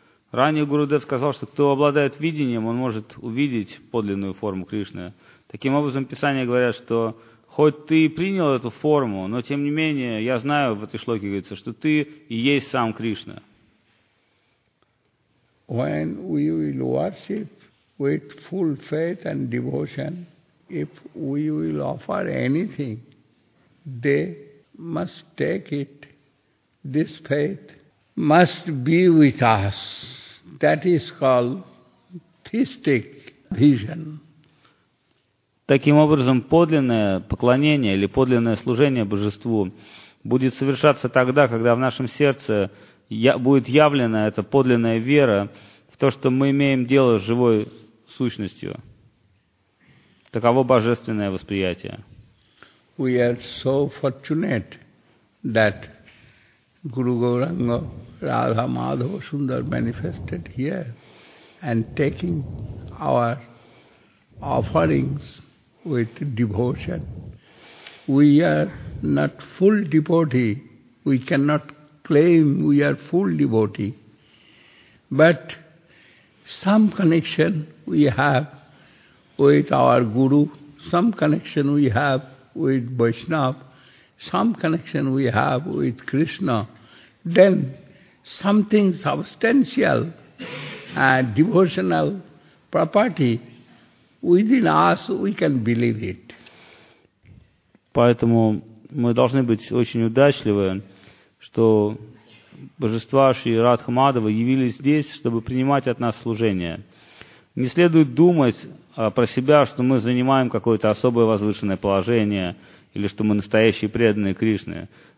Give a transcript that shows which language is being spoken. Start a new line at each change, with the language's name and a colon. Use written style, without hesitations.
Russian: Ранее Гурудев сказал, что кто обладает видением, он может увидеть подлинную форму Кришны. Таким образом, Писания говорят, что хоть ты и принял эту форму, но тем не менее, я знаю, в этой шлоке говорится, что ты и есть сам Кришна.
English: When we will worship with full faith and devotion, if we will offer anything, they must take it. This faith must be with us. That is called theistic vision.
Russian: Таким образом, подлинное поклонение или подлинное служение Божеству будет совершаться тогда, когда в нашем сердце будет явлена эта подлинная вера в то, что мы имеем дело с живой сущностью. Таково божественное восприятие.
English: We are so fortunate that Guru Gauranga, Radha Madhava Sundar manifested here and taking our offerings with devotion. We are not full devotee. We cannot claim we are full devotee. But some connection we have with our Guru, some connection we have with Vaishnava, some connection we have with Krishna. Then something substantial and devotional property within us, we can believe it.
Russian: Поэтому мы должны быть очень удачливы, что Божества Шри Радха Мадхава явились здесь, чтобы принимать от нас служение. Не следует думать про себя, что мы занимаем какое-то особое возвышенное положение или что мы настоящие преданные Кришны.